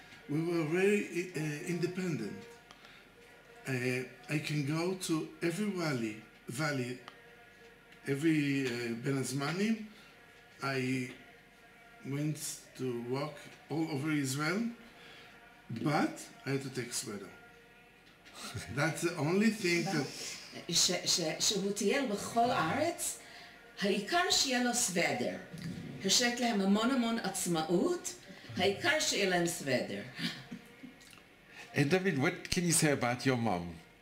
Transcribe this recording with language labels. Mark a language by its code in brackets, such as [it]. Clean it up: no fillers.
[en] We were very independent. I can go to every valley, every Ben Azmanim. I went to walk all over Israel, but I had to take sweater. That's the only thing that... [he] שהוא טייל בכל הארץ, העיקר שיהיה לו סוודר. הרשית להם המון המון עצמאות, העיקר שיהיה להם סוודר. [en] And David, what can you say about your mom?